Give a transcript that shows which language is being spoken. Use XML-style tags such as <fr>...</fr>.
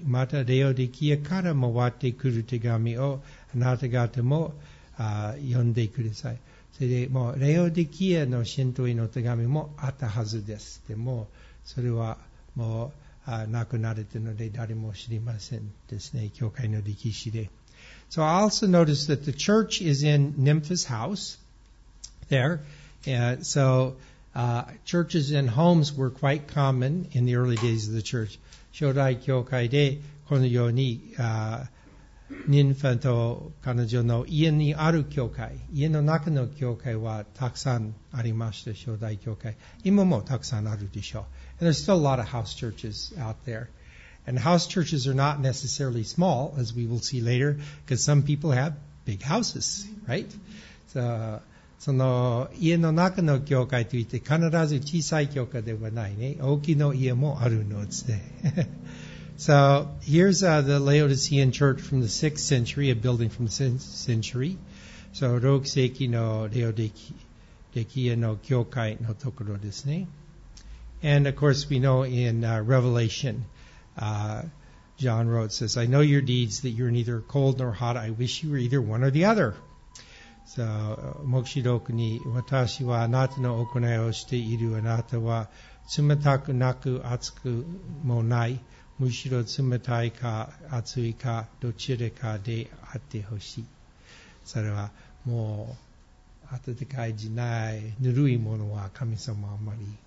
<ja>また、ラオデキアから回ってくる手紙をあなた方も読んでください。それでもう、ラオデキアの信徒への手紙もあったはずです。でも、それはもう亡くなれているので誰も知りませんですね、教会の歴史で。</ja> <en>So I also noticed that the church is in Nympha's house there. And so churches and homes were quite common in the early days of the church.</en> <ja>初代教会でこのようにニンファと彼女の家にある教会、家の中の教会はたくさんありました、初代教会。今もたくさんあるでしょう。</ja> <en>And there's still a lot of house churches out there. And house churches are not necessarily small, as we will see later, because some people have big houses, right?</en> <ja>So, その家の中の教会といって必ず小さい教会ではないね。大きな家もあるのですね。</ja> <en>So, here's the Laodicean church from the 6th century, a building from the 6th century.</en> <ja>So, 6世紀のレオディキアの教会のところですね。</ja> <en>And, of course, we know in Revelation,John wrote, says, I know your deeds, that you're neither cold nor hot. I wish you were either one or the other.</en> <ja>So, 目視録に、私はあなたの行いをしている。あなたは冷たくなく熱くもない。むしろ冷たいか熱いか、どちらかであってほしい。それは、もう、温かいじゃない、ぬるいものは神様あまり。</ja>